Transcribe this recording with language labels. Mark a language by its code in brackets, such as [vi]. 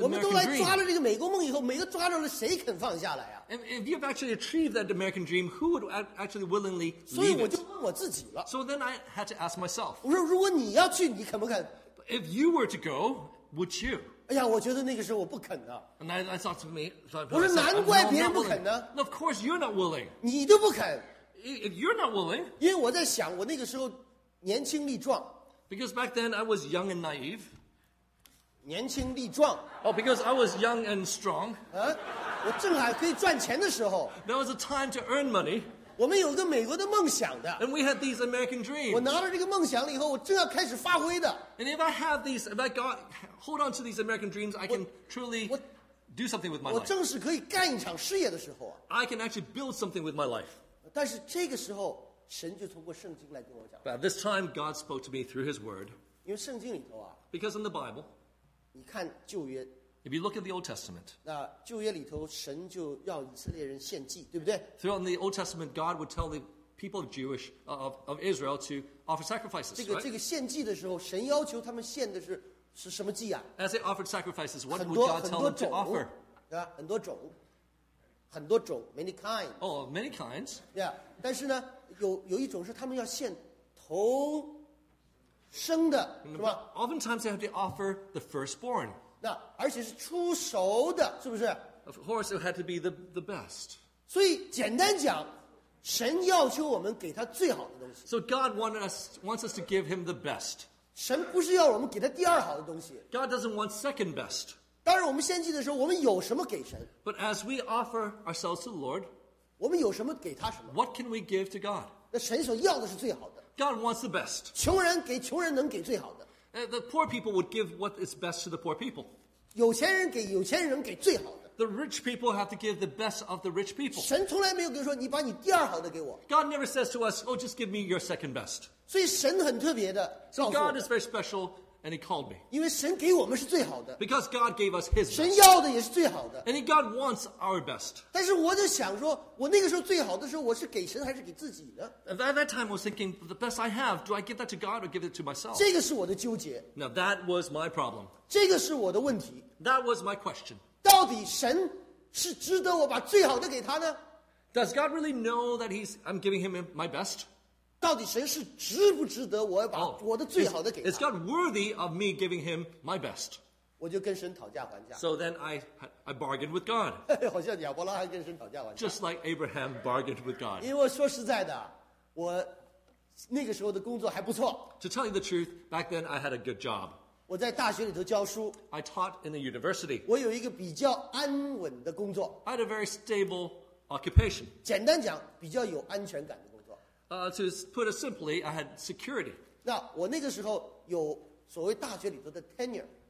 [en] dream. [zh] 我们都来抓了这个美国梦以后，每个抓着了，谁肯放下来啊？ [en] If you have actually achieved that American dream, who would actually willingly leave it? [zh] 所以我就问我自己了。 [en] So then I had to ask myself. [zh] 我说如果你要去，你肯不肯？ [en] If you were to go, would you? [zh] 哎呀，我觉得那个时候我不肯啊。 [en] And I thought to me, thought, [zh] 我说难怪别人不肯呢。 [en] No, of course you're not willing. [zh] 你都不肯。 [en] If you're not willing. [zh] 因为我在想，我那个时候。年轻力壮 [en] because back then I was young and naive. [zh] 年轻力壮 [en] oh, because I was young and strong. [zh] 我正好可以赚钱的时候 [en] there was a time to earn money. [zh] 我们有个美国的梦想的 [en] and we had these American dreams. [zh] 我拿了这个梦想了以后，我正要开始发挥的 [en] and if I have these, if I got hold on to these American dreams, I can truly do something with my life. [zh] 我正是可以干一场事业的时候 [en] I can actually build something with my life. [zh] 但是这个时候。神就通过圣经来跟我讲。 [en] But at this time, God spoke to me through His Word. [zh] 因为圣经里头啊。 [en] Because in the Bible. [zh] 你看旧约。 [en] If you look at the Old Testament. [zh] 那旧约里头，神就要以色列人献祭，对不对 [en] ？Throughout the Old Testament, God would tell the people of Jewish of Israel to offer sacrifices. [zh] 这个献祭的时候，神要求他们献的是什么祭啊 [en] ？As they offered sacrifices, what would God tell them to offer? [zh] 对吧？很多种，很多种 ， [en] many kinds. Oh, many kinds. [zh] Yeah, 但是呢。有一种是他们要献头生的，是吧 [en] ？Oftentimes they have to offer the firstborn. [zh] 那而且是出熟的，是不是 [en] ？Of course, it had to be the best. [zh] 所以简单讲，神要求我们给他最好的东西。 [en] So God wants us to give him the best. [zh] 神不是要我们给他第二好的东西。 [en] God doesn't want second best. [zh] 当然，我们献祭的时候，我们有什么给神 [en] ？But as we offer ourselves to the Lord. [zh] 我们有什么给他什么 [en] ？What can we give to God？ [zh] 那神所要的是最好的。 [en] God wants the best。 [zh] 穷人给穷人能给最好的。 [en] The poor people would give what is best to the poor people。 [zh] 有钱人给有钱人能给最好的。 [en] The rich people have to give the best of the rich people。 [zh] 神从来没有跟说你把你第二好的给我。 [en] God never says to us, "Oh, just give me your second best." [zh] 所以神很特别的。 [en] So God is very special. And he called me. [zh] 因为神给我们是最好的。 [en] Because God gave us His best. [zh] 神要的也是最好的。 [en] And God wants our best. [zh] 但是我就想说，我那个时候最好的时候，我是给神还是给自己呢 [en] ？At that time, I was thinking, the best I have, do I give that to God or give it to myself? [zh] 这个是我的纠结。 [en] Now that was my problem. [zh] 这个是我的问题。 [en] That was my question. [zh] 到底神是值得我把最好的给他呢 [en] ？Does God really know that I'm giving Him my best? [zh] 到底神是值不值得我把我的最好的给他 [en] ？Is God worthy of me giving him my best？ [zh] 我就跟神讨价还价。 [en] So then I bargained with God。 [zh] 好像亚伯拉罕跟神讨价还价。 [en] Just like Abraham bargained with God。 [zh] 因为说实在的，我那个时候的工作还不错。 [en] To tell you the truth, back then I had a good job。 [zh] 我在大学里头教书。 [en] I taught in the university. [zh] 我有一个比较安稳的工作。 [en] I had a very stable occupation. [zh] 简单讲，比较有安全感的工作。 [en] To put it simply, I had security. [zh] 那我那个时候有所谓大学里头的 tenure.